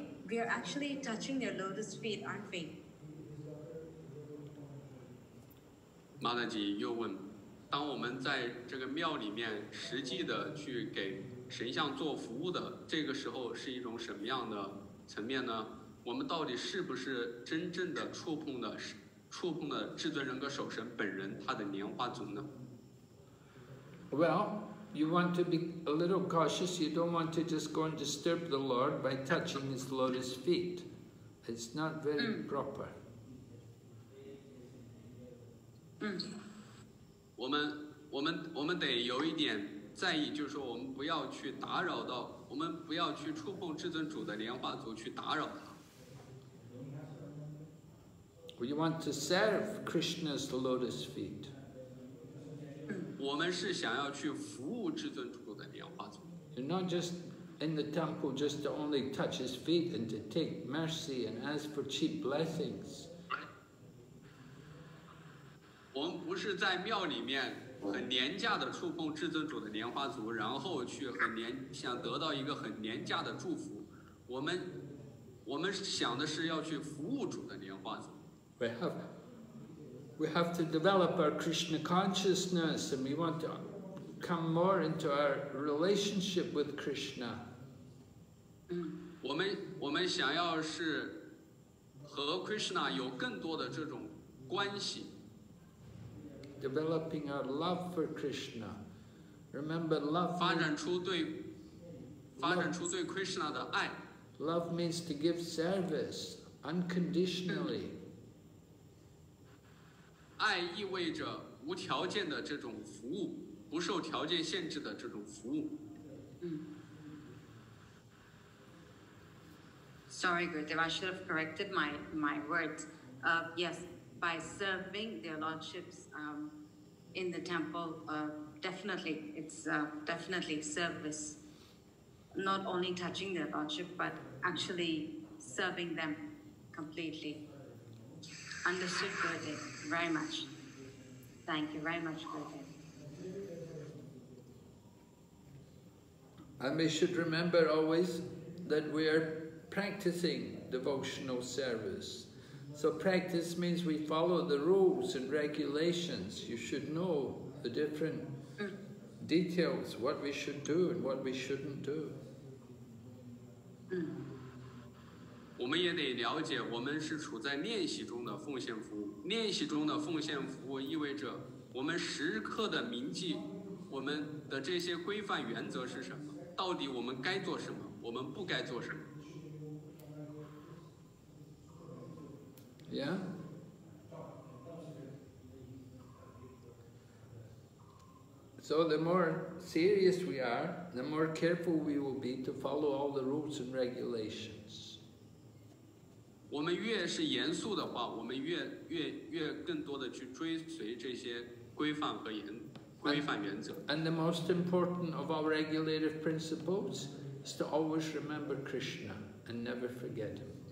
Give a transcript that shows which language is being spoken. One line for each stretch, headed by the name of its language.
English: We are actually touching their lotus feet, aren't we?
Chinese: Mataji 又问，当我们在这个庙里面实际的去给神像做服务的这个时候，是一种什么样的层面呢？我们到底是不是真正的触碰了至尊人格守神本人他的莲花足呢
English: ？Well. You want to be a little cautious. You don't want to just go and disturb the Lord by touching his lotus feet. It's not very proper.
Chinese: 我们得有一点在意，就是说我们不要去打扰到，我们不要去触碰至尊主的莲花足去打扰他。
English: We want to serve Krishna's lotus feet.
Chinese: 我们是想要去服务至尊主的莲花座。
English: You're not just in the temple just to only touch his feet and to take mercy and ask for cheap blessings.
Chinese: 我们不是在庙里面很廉价的触碰至尊主的莲花座，然后去想得到一个很廉价的祝福。我们想的是要去服务主的莲花座。
English: We have to develop our Krishna consciousness and we want to come more into our relationship with Krishna.
Chinese: 我们想要是和 Krishna 有更多的这种关系。
English: Developing our love for Krishna. Remember, love.
Chinese: 发展出对 Krishna 的爱。
English: Love means to give service unconditionally.
Chinese: 爱意味着无条件的这种服务，不受条件限制的这种服务。
English: Sorry, Gurudev, I should have corrected my words. Yes, by serving their lordships in the temple, definitely, it's definitely service. Not only touching their lordship, but actually serving them completely. Understood, Gurudev, very much. Thank you very much, Gurudev. And we should remember always that we are practicing devotional service. So practice means we follow the rules and regulations. You should know the different details, what we should do and what we shouldn't do.
Chinese: 我们也得了解，我们是处在练习中的奉献服务。练习中的奉献服务意味着我们时刻的铭记我们的这些规范原则是什么，到底我们该做什么，我们不该做什么。
English: Yeah. So the more serious we are, the more careful we will be to follow all the rules and regulations.
Chinese: 我们越是严肃的话，我们越更多的去追随这些规范和规范原则。
English: And the most important of our regulative principles is to always remember Krishna and never forget him.